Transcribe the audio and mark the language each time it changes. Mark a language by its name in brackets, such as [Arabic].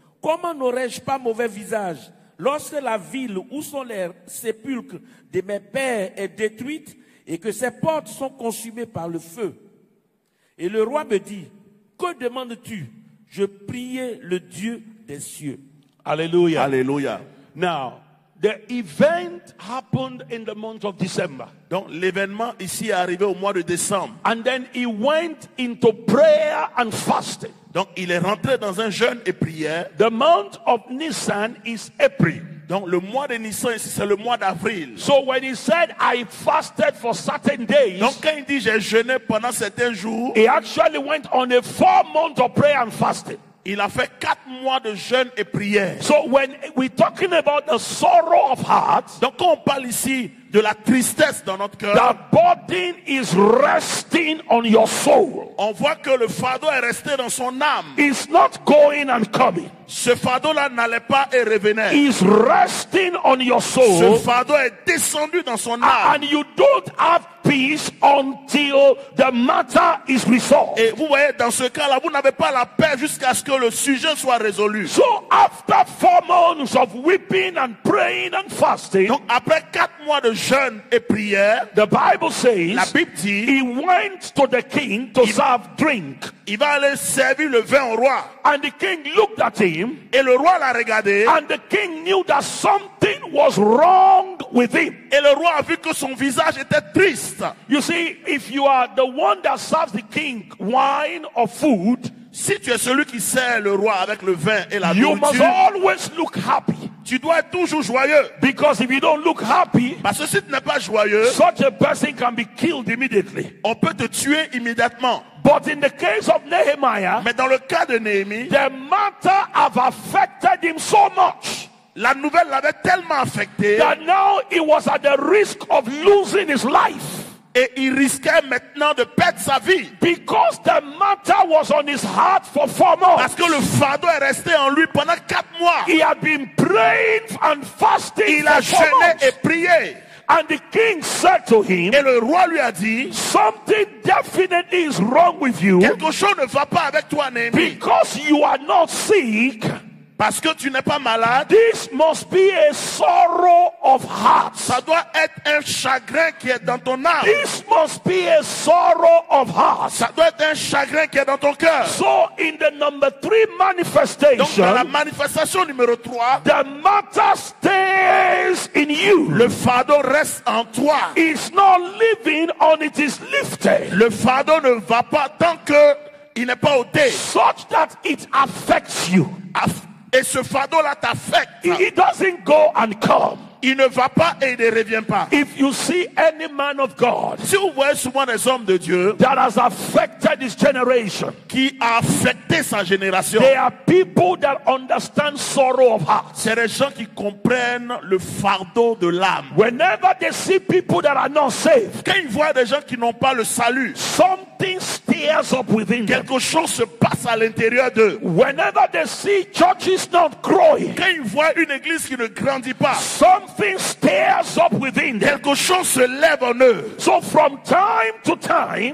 [French] Comment n'aurais-je pas mauvais visage? Lorsque la ville où sont les sépulcres de mes pères est détruite et que ses portes sont consumées par le feu. » Et le roi me dit, « Que demandes-tu ? Je priais le Dieu des cieux. » Alléluia. Alléluia. [English] Now, the event happened in the month of December. [French] Donc, l'événement ici est arrivé au mois de décembre. [English] And then he went into prayer and fasting. [French] Donc, il est rentré dans un jeûne et prière. [English] The month of Nisan is April. [French] Donc, le mois de Nisan ici, c'est le mois d'avril. [English] So, when he said, I fasted for certain days. [French] Donc, quand il dit, j'ai jeûné pendant certains jours. [English] He actually went on a 4 months of prayer and fasting. [French] Il a fait 4 mois de jeûne et prière. [English] So, when we're talking about the sorrow of heart. [French] Donc, quand on parle ici de la tristesse dans notre cœur. [English] The burden is resting on your soul. [French] On voit que le fardeau est resté dans son âme. [English] It's not going and coming. [French] Ce fardeau-là n'allait pas et revenait. [English] It's resting on your soul. [French] Ce fardeau est descendu dans son âme. [English] And you don't have peace until the matter is resolved. [French] Et vous voyez, dans ce cas-là, vous n'avez pas la paix jusqu'à ce que le sujet soit résolu. [English] So after 4 months of weeping and praying and fasting, [French] donc après 4 mois de jeûne et prière, [English] the Bible says, [French] la Bible dit, [English] he went to the king to serve drink. [French] Il va aller servir le vin au roi. [English] And the king looked at him. [French] Et le roi l'a regardé. [English] And the king knew that something was wrong with him. [French] Et le roi a vu que son visage était triste. [English] You see, if you are the one that serves the king wine or food, [French] si tu es celui qui sert le roi avec le vin et la [English] you [French] nourriture, [English] must always look happy. [French] Tu dois être toujours joyeux. [English] Because if you don't look happy, [French] parce que si tu n'es pas joyeux, [English] such a person can be killed immediately. [French] On peut te tuer immédiatement. [English] But in the case of Nehemiah, [French] mais dans le cas de Néhémie, [English] the matter have affected him so much. [French] La nouvelle l'avait tellement affecté. [English] That now he was at the risk of losing his life. [French] Et il risquait maintenant de perdre sa vie. [English] Because the matter was on his heart for 4 months. [French] Parce que le fardeau est resté en lui pendant 4 mois. [English] He had been praying and fasting. [French] Il a jeûné et prié. [English] And the king said to him, [French] et le roi lui a dit, [English] something definitely is wrong with you. [French] Quelque chose ne va pas avec toi, Néhémie. [English] Because you are not sick. [French] Parce que tu n'es pas malade. [English] This must be a sorrow of heart. [French] Ça doit être un chagrin qui est dans ton âme. [English] This must be a sorrow of heart. [French] Ça doit être un chagrin qui est dans ton cœur. [English] So in the number 3 manifestation. [French] Donc dans la manifestation numéro 3, [English] the matter stays in you. [French] Le fardeau reste en toi. [English] It's not leaving on it is lifted. [French] Le fardeau ne va pas tant que il n'est pas ôté. [English] Such that it affects you. [French] Et ce fardeau là t'affecte. [English] He doesn't go and come. [French] Il ne va pas et il ne revient pas. [English] If you see any man of God, [French] si vous voyez souvent des hommes de Dieu, [English] that has affected his generation, [French] qui a affecté sa génération, [English] they are people that understand sorrow of heart. [French] C'est des gens qui comprennent le fardeau de l'âme. [English] Whenever they see people that are not saved, [French] quand ils voient des gens qui n'ont pas le salut, [English] something stirs up within them. [French] Quelque chose se passe à l'intérieur d'eux. [English] Whenever they see churches not growing, [French] quand ils voient une église qui ne grandit pas, [English] something stirs up within them. [French] Quelque chose se lève en eux. [English] So from time to time,